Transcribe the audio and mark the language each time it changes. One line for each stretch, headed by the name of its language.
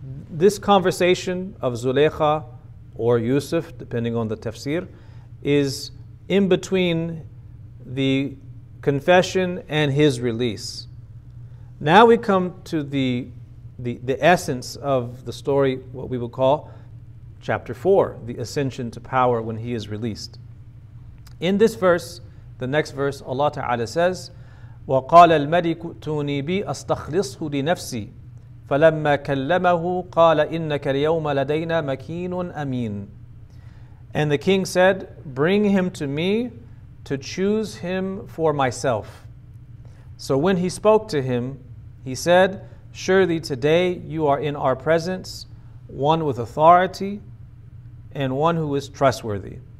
English: This conversation of Zulaykha or Yusuf, depending on the tafsir, is in between the confession and his release. Now we come to the essence of the story, what we will call chapter 4, the ascension to power when he is released. In this verse, the next verse, Allah Ta'ala says,
Arabic: وَقَالَ الْمَلِكُ تُونِي بِي أَسْتَخْلِصْهُ لِنَفْسِي فَلَمَّا كَلَّمَهُ قَالَ إِنَّكَ الْيَوْمَ لَدَيْنَا مَكِينٌ أَمِينٌ.
English: And the king said, bring him to me to choose him for myself. So when he spoke to him, he said, surely today you are in our presence, one with authority and one who is trustworthy.